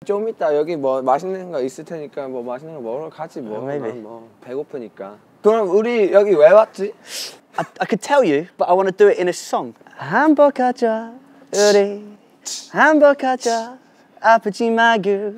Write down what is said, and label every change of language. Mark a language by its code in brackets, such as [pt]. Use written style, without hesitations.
[ko] 좀 이따 여기 뭐 맛있는 거 있을 테니까 뭐 맛있는 거 먹으러 가지 뭐. [en] Yeah, maybe. [ko] 뭐 배고프니까. 그럼 우리 여기 왜 왔지? [en] I could tell you, but I want to do it in a song. [ko] 행복하자 우리 행복하자 아프지 마구.